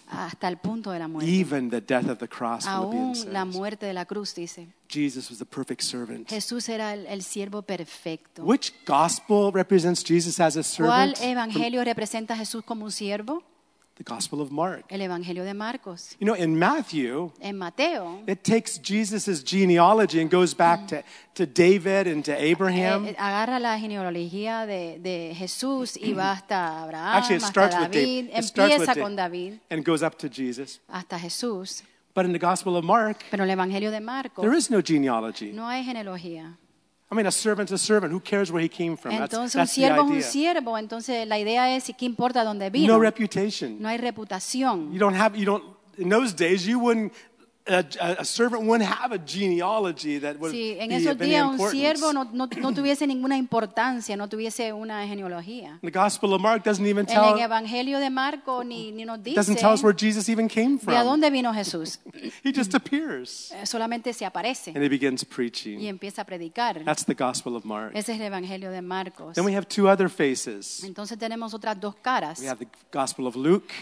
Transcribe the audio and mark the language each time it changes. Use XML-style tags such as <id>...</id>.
<es>Hasta el punto de la muerte.</es> <en>Even the death of the cross.</en> <es>Aún la muerte de la cruz, dice.</es> <en>Jesus was the perfect servant.</en> <es>Jesús era el siervo perfecto.</es> <en>Which gospel represents Jesus as a servant?</en> <es>¿Cuál evangelio representa a Jesús como un siervo?</es> <en>The Gospel of Mark.</en> <es>El Evangelio de Marcos.</es> <en>You know, in Matthew,</en> <es>en Mateo,</es> <en>it takes Jesus' genealogy and goes back to David and to Abraham.</en> <es>Agarra la genealogía de Jesús y va hasta Abraham.</es> <en>Actually, it starts with David.</en> <es>Empieza con David.</es> <en>And goes up to Jesus.</en> <es>Hasta Jesús.</es> <en>But in the Gospel of Mark,</en> <es>pero el Evangelio de Marcos,</es> <en>there is no genealogy.</en> <es>No hay genealogía.</es> <en>I mean, a servant's a servant. Who cares where he came from? That's the idea.</en> <es>Entonces, un siervo, entonces la idea es, ¿qué importa dónde vino?</es> <en>No reputation.</en> <es>No hay reputación.</es> <en>You don't. In those days, you wouldn't. A servant wouldn't have a genealogy that would be of any importance.</en> <es>Sí, en esos días un siervo no tuviese ninguna importancia, no tuviese una genealogía.</es> <en>The Gospel of Mark doesn't even tell.</en> <es>En el Evangelio de Marco ni nos dice.</es> <en>Doesn't tell us where Jesus even came from.</en> <es>¿De dónde vino Jesús?</es> <en>He just appears.</en> <es>Solamente se aparece.</es> <en>And he begins preaching.</en> <es>Y empieza a predicar.</es> <en>That's the Gospel of Mark.</en> <es>Ese es el Evangelio de Marcos.</es> <en>Then we have two other faces.</en> <es>Entonces tenemos otras dos caras.</es> <en>We have the Gospel of Luke.</en>